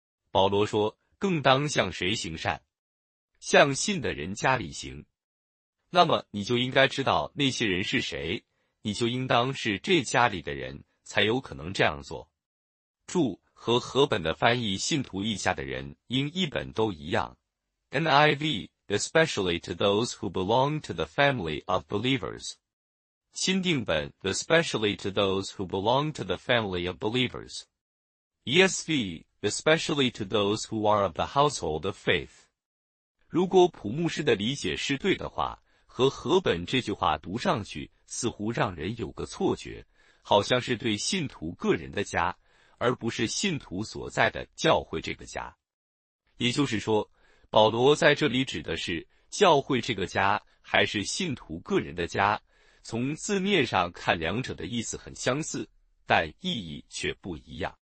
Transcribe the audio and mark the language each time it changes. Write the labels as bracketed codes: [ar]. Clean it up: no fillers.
[zh] 保罗说，更当向谁行善？向信的人家里行。那么你就应该知道那些人是谁，你就应当是这家里的人才有可能这样做。注和和本的翻译信徒一家的人应一本都一样。 [en] NIV, especially to those who belong to the family of believers. 新定本 especially to those who belong to the family of believers. ESV, especially to those who are of the household of faith. [zh] 如果普牧师的理解是对的话，和和本这句话读上去似乎让人有个错觉，好像是对信徒个人的家，而不是信徒所在的教会这个家。也就是说，保罗在这里指的是教会这个家还是信徒个人的家，从字面上看两者的意思很相似，但意义却不一样。